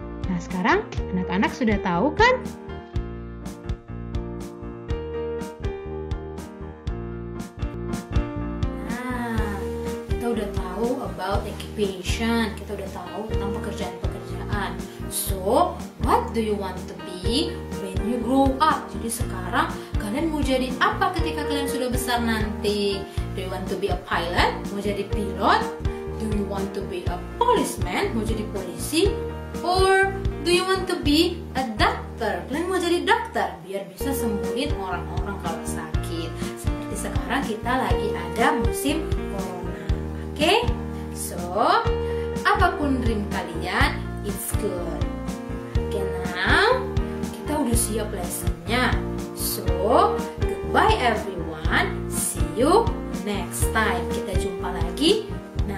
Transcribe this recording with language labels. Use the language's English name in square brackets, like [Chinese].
[Indonesian] Nah, sekarang anak-anak sudah tahu kan? Nah, kita udah tahu [English] about occupation. [Indonesian] Kita udah tahu tentang pekerjaan-pekerjaan. [English] So, what do you want to be when you grow up? [Indonesian] Jadi sekarang kalian mau jadi apa ketika kalian sudah besar nanti? [English] Do you want to be a pilot? [Indonesian] Mau jadi pilot? [English] Do you want to be a policeman? [Indonesian] Mau jadi polisi? [English] Or do you want to be a doctor? [Indonesian] Kalian mau jadi dokter biar bisa sembuhin orang-orang kalau sakit. Seperti sekarang kita lagi ada musim corona. Oke? [English] So, apapun dream kalian, it's good. [Indonesian] Oke, now kita udah siap lessonnya. [English] So, goodbye everyone. See you next time. [Indonesian] Kita jumpa lagi